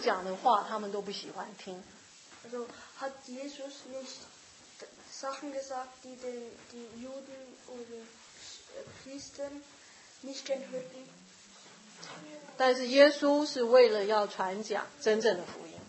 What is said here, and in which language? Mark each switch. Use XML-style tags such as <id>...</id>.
<zh>讲的话他们都不喜欢听。</zh> <de>Also, hat Jesus nicht Sachen gesagt, die die Juden oder Christen nicht gern hörten?</de> <zh>但是耶稣是为了要传讲真正的福音。</zh>